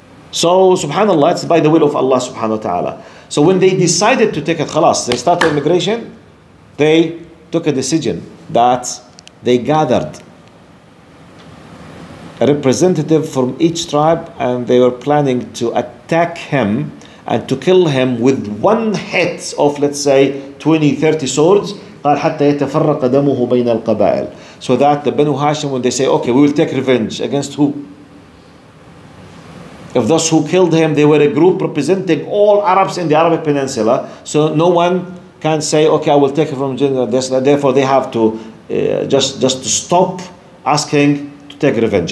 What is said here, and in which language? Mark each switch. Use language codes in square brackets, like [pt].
[en] So, subhanAllah, it's by the will of Allah subhanahu wa ta'ala. So when they decided to take it, khalas, they started immigration, they took a decision that they gathered a representative from each tribe and they were planning to attack him and to kill him with one hit of, let's say, 20, 30 swords. [ar] قال حتى يتفرق دمه بين القبائل. [en] So that the Banu Hashim, when they say, okay, we will take revenge against who? Of those who killed him, they were a group representing all Arabs in the Arabic Peninsula. So no one can say, okay, I will take it from General Desla. Therefore, they have to just to stop asking to take revenge.